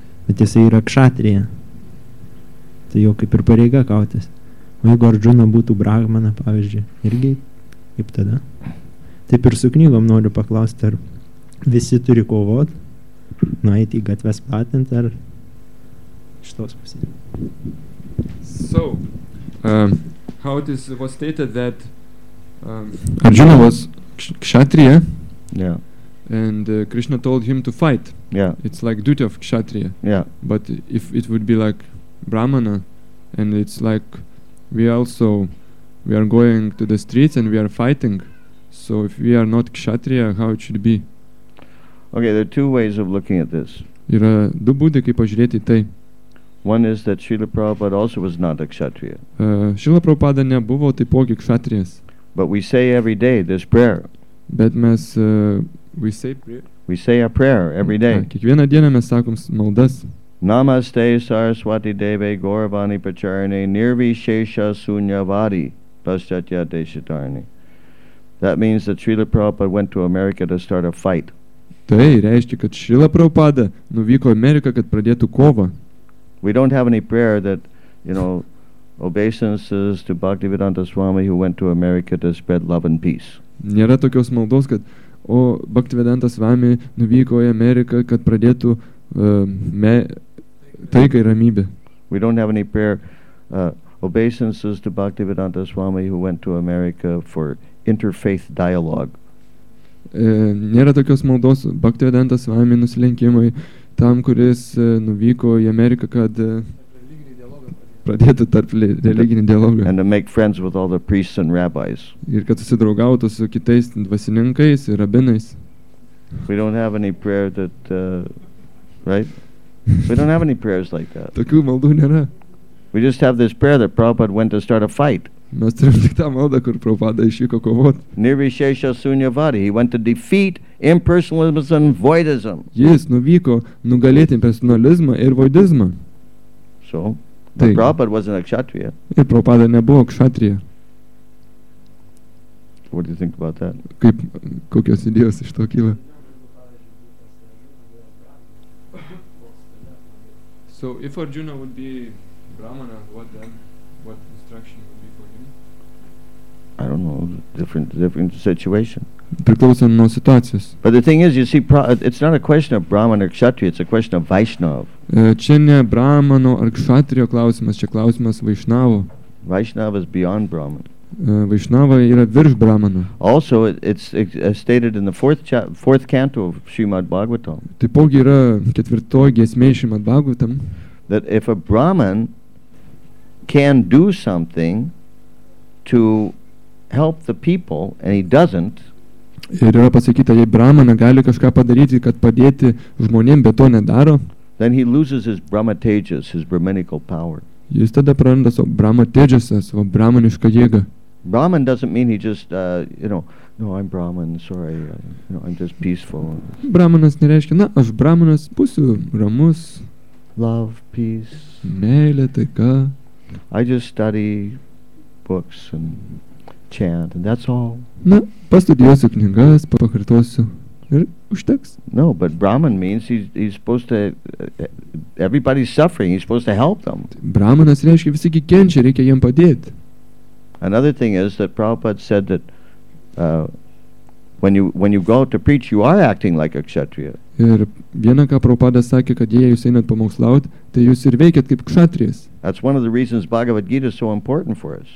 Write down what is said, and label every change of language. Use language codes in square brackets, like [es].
[lt] Bet jisai yra kšatrija. Tai jau kaip ir pareiga kautis. O jeigu Arjuna būtų Brahmana, pavyzdžiui, irgi, kaip tada? Taip ir su knygom noriu paklausti, ar visi turi kovot, nueiti į gatves platinti, ar šitos pusės. [en] So, how it is, was stated that Arjuna was kshatriya, yeah. And Krishna told him to fight. Yeah. It's like duty of kshatriya. Yeah. But if it would be like Brahmana, and it's like We are going to the streets and we are fighting. So if we are not kshatriya, how it should be? Okay, there are two ways of looking at this. [lt] Yra du būdai, kaip pažiūrėti į tai. [en] One is that Srila Prabhupada also was not a kshatriya. [lt] Srila Prabhupada nebuvo taipogi kshatrijas. [en] But we say every day this prayer. [lt] Bet mes [en] we say a prayer every day. [lt] Kiekvieną dieną mes sakom maldas. [sa] Namaste Saraswati Deve Gauravani Pracharani Nirvishesha Sunyavadi Paschatya Deshitarani. [en] That means that Srila Prabhupada went to America to start a fight. [lt] Tai reiškia, kad Srila Prabhupada nuvyko į Ameriką, kad pradėtų kovą. [en] We don't have any prayer that, you know, Obeisances to Bhaktivedanta Swami who went to America to spread love and peace. [lt] Nėra tokios maldos, kad o Bhaktivedanta Swami nuvyko į Ameriką, kad pradėtų taiką ir ramybę. [en] We don't have any prayer. Obeisances to Bhaktivedanta Swami who went to America for interfaith dialogue. [lt] Nėra tokios maldos Bhaktivedanta Swami nusilenkimui tam, kuris nuvyko į Ameriką, kad pradėtų tarp religinį dialogą. [en] And to make friends with all the priests and rabbis. [lt] Ir kad susidraugautų su kitais dvasininkais ir rabinais. [en] We don't have any prayer that, right? We don't have any prayers like that. [lt] Tokių maldų nėra. [en] We just have this prayer that Prabhupada went to start a fight. [lt] Mes turime tik tą maldą, kur Prabhupada išvyko kovoti. [sa] Nirvishesha sunyavadi. [en] He went to defeat impersonalism and voidism. [lt] Jis nuvyko nugalėti impersonalizmą ir voidizmą. [en] So, but Prabhupada wasn't a kshatriya. [lt] Ir Prabhupada nebuvo kshatriya. [en] What do you think about that? [lt] Kaip, kokios idėjos iš to kyla? [en] So, if Arjuna would be Brahmana, what then? What instruction would be for him? I don't know. Different situation. [lt] Priklauso nuo situacijos. [en] But the thing is, you see, it's not a question of Brahman or Kshatriya, it's a question of Vaishnav. [lt] Čia ne Brahmano ar Kshatriyo klausimas, čia klausimas Vaishnavo. [en] Vaishnav is beyond Brahman. [lt] Vaishnava yra virš Brahmano. [en] Also, it's stated in the fourth canto of Srimad Bhagavatam. [lt] Taipogi yra ketvirtoji giesmė Srimad Bhagavatam. [en] That if a Brahman can do something to help the people, and he doesn't, [lt] ir yra pasakyta, jei Brahmana gali kažką padaryti, kad padėti žmonėm, bet to nedaro, [en] then he loses his brahmatejas, his brahminical power. [lt] Jis tada praranda savo brahmatejasą, savo brahmanišką jėgą. [en] Brahman doesn't mean he just, I'm Brahman, sorry, I'm just peaceful. [lt] Brahmanas nereiškia, na, aš Brahmanas, būsiu ramus. [en] Love, peace. [lt] Meilė, taika. [en] I just study books and chant, and that's all. [lt] Na, pastudijuosiu knygas, pakartosiu ir užteks. [en] No, but Brahman means he's supposed to, everybody's suffering, he's supposed to help them. [lt] Brahmanas reiškia, visi gi kenčia, reikia jiem padėti. [en] Another thing is that Prabhupada said that when you go out to preach, you are acting like a kshatriya. [lt] Ir viena, ką Prabhupada sakė, kad jei jūs einat pamokslaut, tai jūs ir veikiat kaip kshatrijas. [en] That's one of the reasons Bhagavad Gita is so important for us.